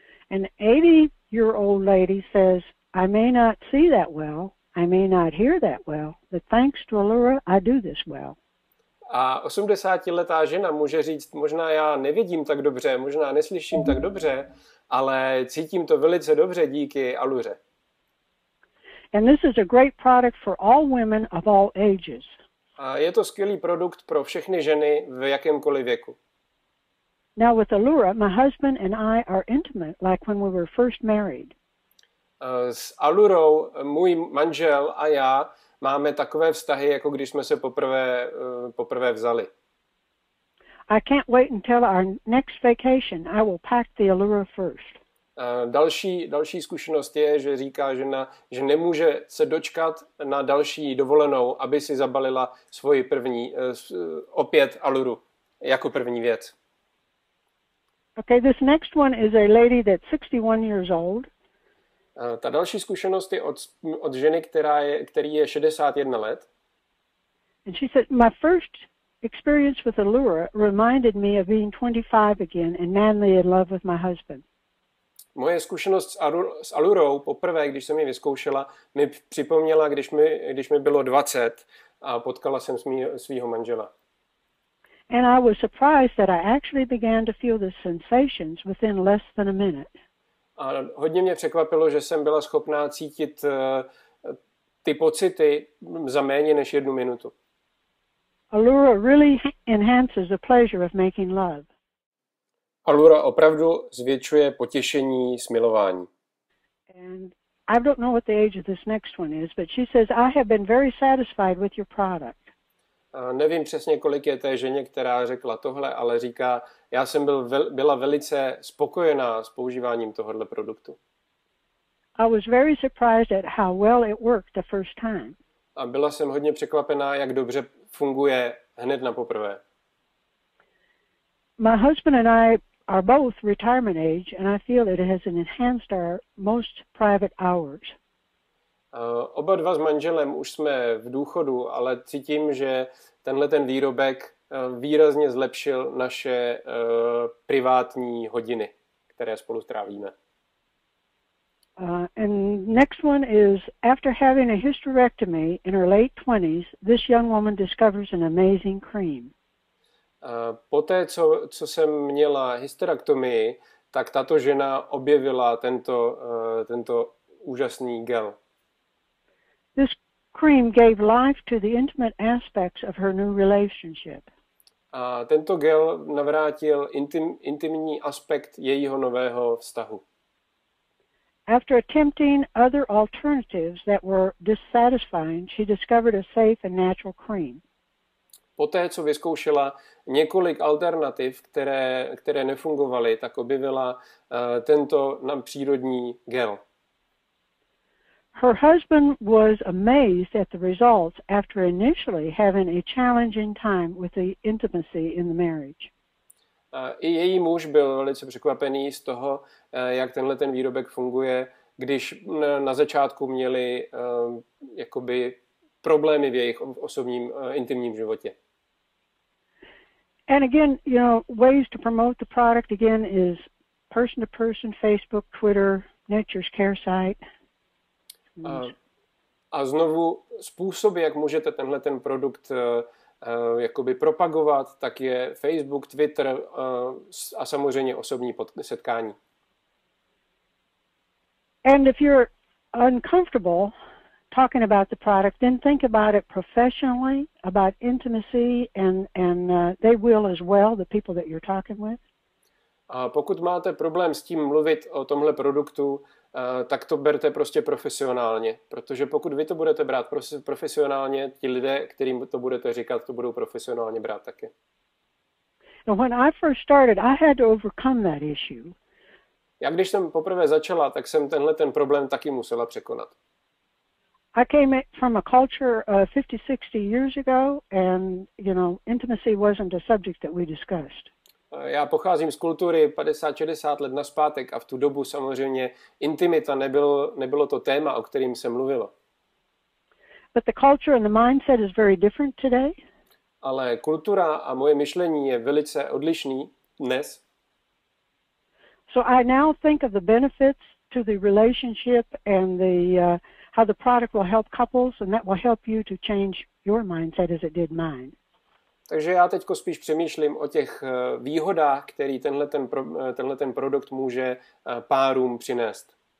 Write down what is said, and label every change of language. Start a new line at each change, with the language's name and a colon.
English: An 80-year-old lady says, I may not see that well. I may not hear that well, but thanks to Allura, I do this well.
Czech: A 80-letá žena může říct, možná já nevidím tak dobře, možná neslyším tak dobře, ale cítím to velice dobře díky Allure.
English: And this is a great product for all women of all ages.
Czech: Je to skvělý produkt pro všechny ženy v jakémkoliv věku.
English: Now with Allura, my husband and I are intimate like when we were first married.
Czech: S Allurou můj manžel a já máme takové vztahy, jako když jsme se poprvé vzali.
English: I can't wait until our next vacation. I will pack the Allura first.
Czech: Další zkušenost je, že říká žena, že nemůže se dočkat na další dovolenou, aby si zabalila svoji první opět Alluru jako první věc.
English: Okay, this next one is a lady that's 61 years old.
Czech: Ta další zkušenost je od ženy, který je 61 let.
English: And she said, my first experience with Allura reminded me of being 25 again and madly in love with my husband.
Czech: Moje zkušenost s Allurou poprvé, když jsem ji vyzkoušela, mi připomněla, když mi bylo 20 a potkala jsem svýho manžela.
English: And I was surprised that I actually began to feel the sensations within less than a minute.
Czech: A hodně mě překvapilo, že jsem byla schopná cítit ty pocity za méně než jednu minutu.
English: Allura really enhances the pleasure of making love.
Czech: Allura opravdu zvětšuje potěšení s milování.
English: And I don't know what the age of this next one is, but she says I have been very satisfied with your product.
Czech: A nevím přesně, kolik je té ženě, která řekla tohle, ale říká, já jsem byla velice spokojená s používáním tohohle produktu.
English: I was very surprised at how well it worked the first time.
Czech: A byla jsem hodně překvapená, jak dobře funguje hned na poprvé.
English: My husband and I are both retirement age and I feel it has enhanced our most private hours.
Czech: Oba dva s manželem už jsme v důchodu, ale cítím, že tenhle ten výrobek výrazně zlepšil naše privátní hodiny, které spolu strávíme.
English: And next one is after having a hysterectomy in her late 20s, this young woman discovers an amazing cream.
Czech: Poté, co jsem měla hysterektomii, tak tato žena objevila tento úžasný gel.
English: This cream gave life to the intimate aspects of her new relationship.
Czech: A tento gel navrátil intimní aspekt jejího nového vztahu.
English: After attempting other alternatives that were dissatisfying, she discovered a safe and natural cream.
Czech: Poté, co vyzkoušela několik alternativ, které nefungovaly, tak objevila tento nám přírodní gel.
English: Her husband was amazed at the results after initially having a challenging time with the intimacy in the marriage.
Czech: I její muž byl velice překvapený z toho, jak tenhle ten výrobek funguje, když na začátku měli jakoby problémy v jejich osobním intimním životě.
English: And again, you know, ways to promote the product again is person to person, Facebook, Twitter, Nature's Care site.
Czech: A znovu způsoby, jak můžete tenhle ten produkt jakoby propagovat, tak je Facebook, Twitter a samozřejmě osobní setkání.
English: And if you're uncomfortable talking about the product, then think about it professionally, about intimacy, and they will as well, the people that you're talking with.
Czech: A pokud máte problém s tím mluvit o tomhle produktu, tak to berte prostě profesionálně, protože pokud vy to budete brát profesionálně, ti lidé, kterým to budete říkat, to budou profesionálně brát taky.
English: Now when I first started, I had to overcome that issue.
Czech: Já když jsem poprvé začala, tak jsem tenhle ten problém taky musela překonat.
English: I came from a culture 50-60 years ago and, you know, intimacy wasn't a subject that we discussed.
Czech: Já pocházím z kultury 50-60 let nazpátek a v tu dobu samozřejmě intimita nebylo to téma, o kterém se mluvilo.
English: But the culture and the mindset is very different today.
Czech: Ale kultura a moje myšlení je velice odlišný dnes.
English: So I now think of the benefits to the relationship and the how the product will help couples and that will help you to change your mindset as it did mine.
Czech: Takže já teďko spíš přemýšlím o těch výhodách, které tenhle ten produkt může párům přinést.